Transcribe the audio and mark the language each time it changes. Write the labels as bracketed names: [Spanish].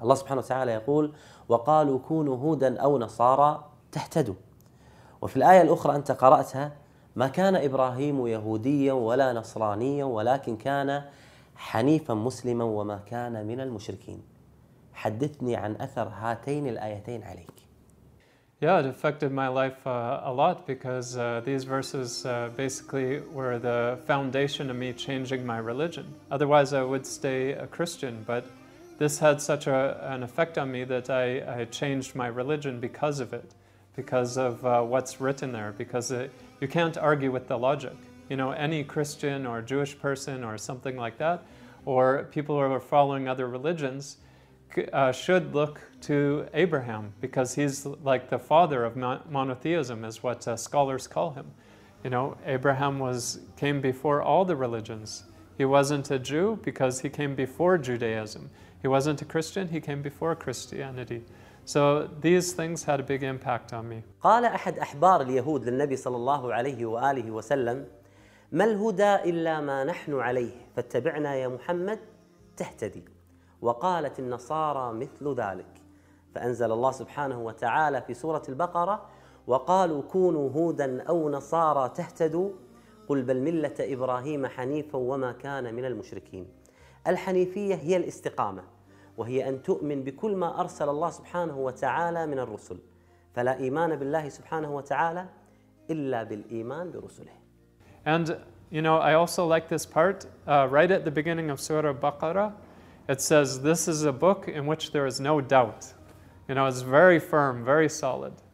[Arabic] الله سبحانه وتعالى يقول وقالوا كونوا هودا أو نصارى تهتدوا، وفي الآية الأخرى أنت قرأتها ما كان إبراهيم يهوديا ولا نصرانيا ولكن كان حنيفا مسلما وما كان من المشركين. حدثني عن أثر هاتين الآيتين عليك. [English] Yeah, it affected my life a lot because these verses basically were the foundation of me changing my religion. Otherwise, I would stay a Christian, but this had such an effect on me that I changed my religion because of it, because of what's written there, because you can't argue with the logic. You know, any Christian or Jewish person or something like that, or people who are following other religions, should look to Abraham because he's like the father of monotheism, is what scholars call him. You know, Abraham came before all the religions. He wasn't a Jew because he came before Judaism. He wasn't a Christian, he came before Christianity. So these things had a big impact on me. [Arabic] قال أحد أحبار اليهود للنبي صلى الله عليه وآله وسلم ما الهدى إلا ما نحن عليه فاتبعنا يا محمد تهتدي وقالت النصارى مثل ذلك فأنزل الله سبحانه وتعالى في سورة البقرة وقالوا كونوا هودا أو نصارى تهتدوا قل بل ملة إبراهيم حنيفا وما كان من المشركين. الحنيفية هي الاستقامة وهي أن تؤمن بكل ما أرسل الله سبحانه وتعالى من الرسل فلا إيمان بالله سبحانه وتعالى إلا بالإيمان برسله. [English] And you know, I also like this part right at the beginning of Surah Baqarah. It says, this is a book in which there is no doubt. You know, it's very firm, very solid.